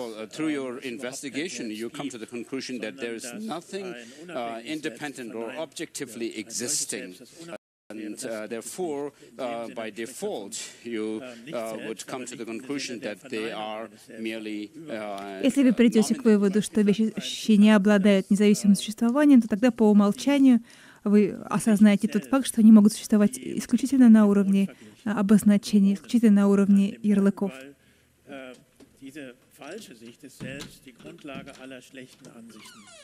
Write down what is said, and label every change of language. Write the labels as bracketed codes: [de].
[en] Through your investigation, you come to the conclusion that there is nothing independent or objectively existing. And therefore, by default, you would come to the conclusion that they are merely [ru] Если вы придете к выводу, что вещи не обладают независимым существованием, то тогда по умолчанию вы осознаете тот факт, что они могут существовать исключительно на уровне обозначений, исключительно на уровне ярлыков. [de] Diese falsche Sicht ist selbst die Grundlage aller schlechten Ansichten.